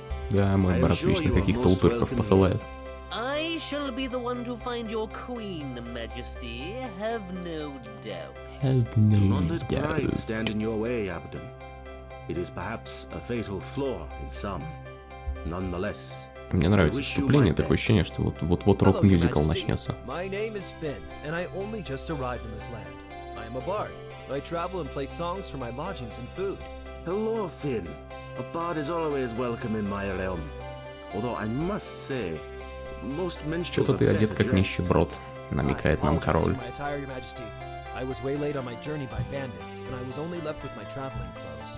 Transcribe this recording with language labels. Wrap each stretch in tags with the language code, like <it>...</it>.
<ru>Да, мой брат вечно каких-то утырков посылает.</ru> <en>I shall be the one to find your queen, Majesty. Have no doubt. Have no doubt. Do not let pride stand in your way, Abaddon. It is perhaps a fatal flaw in some. Nonetheless.</en> <ru>Мне нравится вступление, такое ощущение, что вот-вот рок-мюзикл начнется.</ru> <en>My name is Finn, and I only just arrived in this land. I am a bard. I travel and play songs for my lodgings and food. Hello, Finn. A bard is always welcome in my realm. Although I must say, most minstrels are better dressed.</en> <ru>Что-то ты одет как нищеброд, намекает нам король.</ru> <en>My attire, Your Majesty. I was waylaid on my journey by bandits, and I was only left with my traveling clothes.</en>